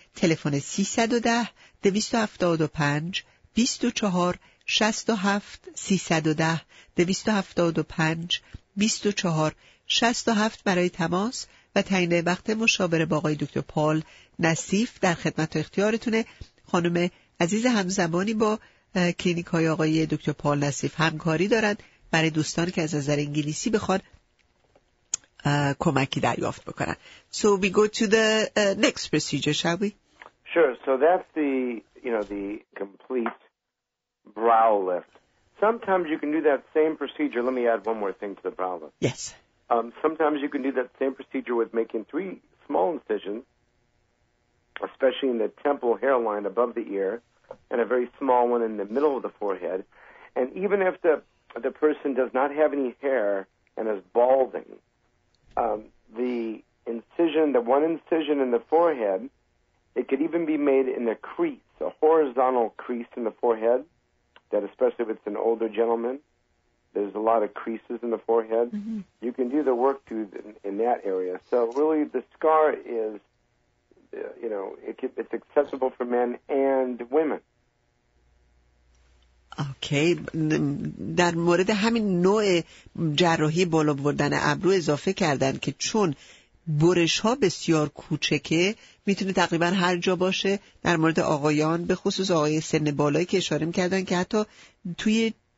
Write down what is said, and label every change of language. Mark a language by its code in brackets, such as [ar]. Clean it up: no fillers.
[fa] تلفن 310-275-2467 برای تماس و تعیین وقت مشاوره با آقای دکتر پال نصیف در خدمت اختیارتونه. خانم عزیز همزبانی با کلینیک های آقای دکتر پال نصیف همکاری دارند برای دوستان که از نظر انگلیسی بخواد کمکی دریافت بکنن. [en] So we go to the next procedure, shall we? Sure. So that's the, you know, the complete brow lift. Sometimes you can do that same procedure. Let me add one more thing to the brow lift. Yes. Sometimes you can do that same procedure with making 3 small incisions, especially in the temple hairline above the ear, and a very small one in the middle of the forehead. And even if the person does not have any hair and is balding, the incision, the one incision in the forehead, it could even be made in a crease, a horizontal crease in the forehead, that especially if it's an older gentleman, there's a lot of creases in the forehead. Mm-hmm. You can do the work too in that area. So really the scar is, you know, it's accessible for men and women. [fa] اوکی، در مورد همین نوع جراحی بالا بردن ابرو اضافه کردن که چون برش ها بسیار کوچکه میتونه تقریبا هر جا باشه، در مورد آقایان به خصوص آقای سن بالایی که اشاره میکردن که حتی توی